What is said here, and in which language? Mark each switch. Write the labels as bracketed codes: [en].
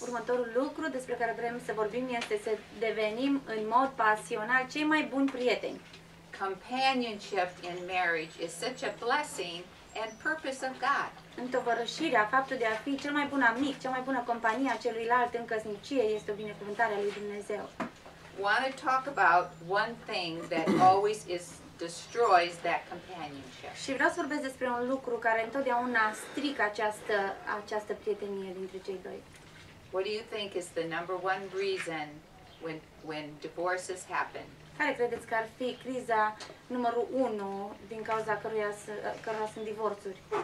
[ro] Următorul lucru despre care vrem să vorbim este să devenim în mod pasional cei mai buni prieteni. [en] Companionship in marriage is such a blessing and purpose of God. [ro] Întovărășirea, faptul de a fi cel mai bun amic, cea mai bună companie a celuilalt în căsnicie este o binecuvântare a lui Dumnezeu. [en] Want to talk about one thing that always destroys that companionship. [ro] Și vreau să vorbesc despre un lucru care întotdeauna strică această prietenie dintre cei doi. [en] What do you think is the number one reason when divorces happen? [ro] Care credeți că ar fi criza numărul 1 din cauza căruia sunt divorțuri?